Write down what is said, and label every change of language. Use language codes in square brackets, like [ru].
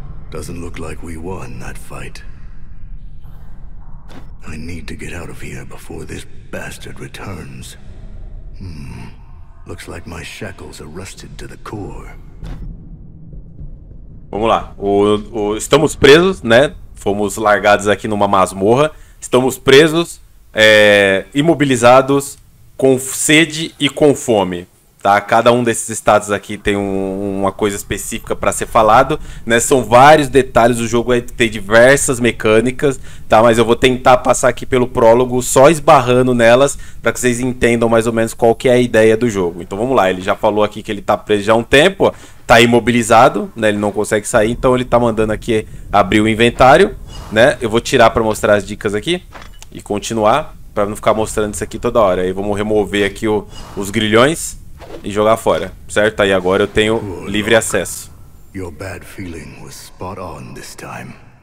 [en] Doesn't look like we won that fight. I need to get out of here before this bastard returns. Looks like my shackles are rusted to the core. [pt] Vamos lá. Estamos presos, né? Fomos largados aqui numa masmorra. Estamos presos, imobilizados, com sede e com fome. Tá? Cada um desses estados aqui tem uma coisa específica para ser falado, né? São vários detalhes, o jogo tem diversas mecânicas, tá? Mas eu vou tentar passar aqui pelo prólogo só esbarrando nelas para que vocês entendam mais ou menos qual que é a ideia do jogo. Então vamos lá, ele já falou aqui que ele está preso já há um tempo, está imobilizado, né? Ele não consegue sair, então ele está mandando aqui abrir o inventário, né? Eu vou tirar para mostrar as dicas aqui e continuar para não ficar mostrando isso aqui toda hora. Aí vamos remover aqui os grilhões e jogar fora, certo? Aí agora eu tenho livre acesso. [en] Your bad feeling was spot on this time.